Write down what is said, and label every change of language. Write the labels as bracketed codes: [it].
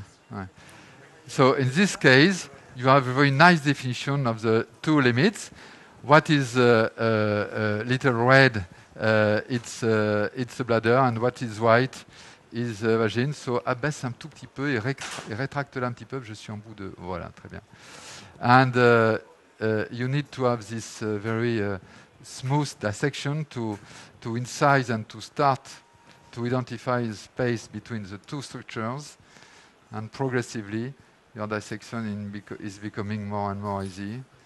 [en] Ouais. So in this case, you have a very nice definition of the two limits. What is little red? It's the bladder, and what is white is the vagine. [fr] So abaisse un tout petit peu et, et rétracte-la un petit peu. Je suis en bout de voilà, très bien. [en] And you need to have this very smooth dissection to incise and to start to identify the space between the two structures, and progressively your dissection is becoming more and more easy.